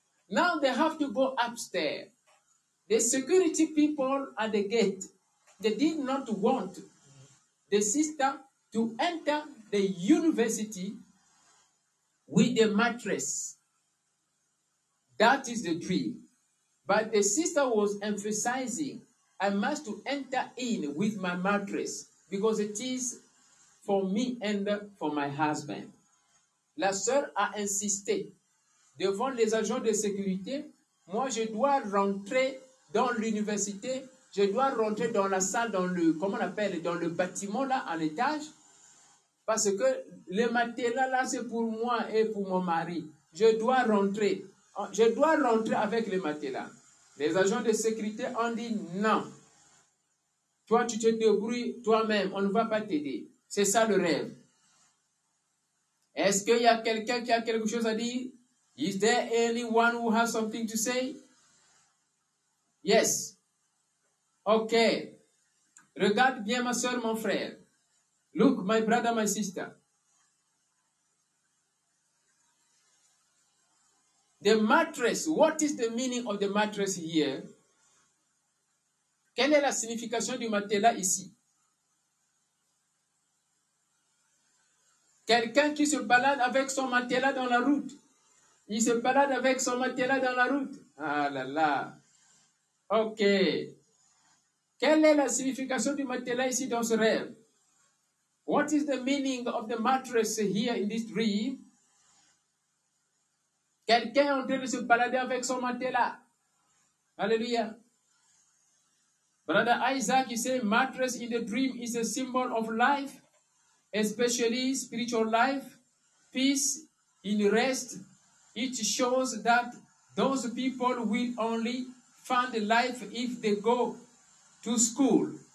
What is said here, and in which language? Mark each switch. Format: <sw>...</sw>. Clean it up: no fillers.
<en>Now they have to go upstairs. The security people at the gate, they did not want the sister to enter the university with the mattress. That is the dream. But the sister was emphasizing, I must enter in with my mattress because it is for me and for my husband.</en> <fr>La sœur a insisté devant les agents de sécurité, moi je dois rentrer dans l'université, je dois rentrer dans la salle, dans le, comment on appelle, dans le bâtiment là, en étage, parce que le matelas là, c'est pour moi et pour mon mari. Je dois rentrer avec le matelas. Les agents de sécurité ont dit non. Toi, tu te débrouilles toi-même, on ne va pas t'aider. C'est ça le rêve. Est-ce qu'il y a quelqu'un qui a quelque chose à dire?</fr> <en>Is there anyone who has something to say? Yes.</en> <fr>Ok. Regarde bien ma soeur, mon frère.</fr> <en>Look, my brother, my sister. The mattress, what is the meaning of the mattress here?</en> <fr>Quelle est la signification du matelas ici? Quelqu'un qui se balade avec son matelas dans la route. Il se balade avec son matelas dans la route. Ah là là. Ok. Quelle est la signification du matelas ici dans ce rêve?</fr> <en>What is the meaning of the mattress here in this dream?</en> <fr>Quelqu'un est en train de se balader avec son matelas. Alléluia.</fr> <en>Brother Isaac, you say mattress in the dream is a symbol of life, especially spiritual life, peace, in rest. It shows that those people will only find life if they go to school.</en>